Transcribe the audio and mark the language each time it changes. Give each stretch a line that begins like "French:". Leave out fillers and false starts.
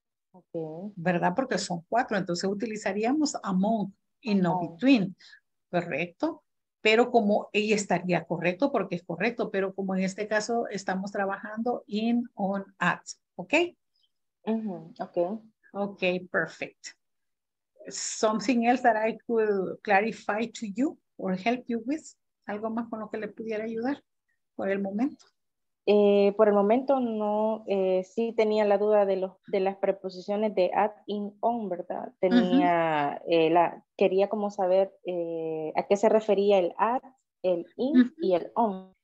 English: Okay.
Spanish: ¿Verdad? Porque son cuatro, entonces utilizaríamos among y no between, ¿correcto? Pero como, y estaría correcto porque es correcto, pero como en este caso estamos trabajando in, on, at, ¿ok?
English: Mm-hmm. Ok. Ok, perfect. Something else that I could clarify to you or help you with?
Spanish: ¿Algo más con lo que le pudiera ayudar? Por el momento. Por el momento no, sí tenía la duda de los de las preposiciones de at, in, on, ¿verdad? Tenía, uh-huh. Quería como saber a qué se refería el at, el in uh-huh. y el on.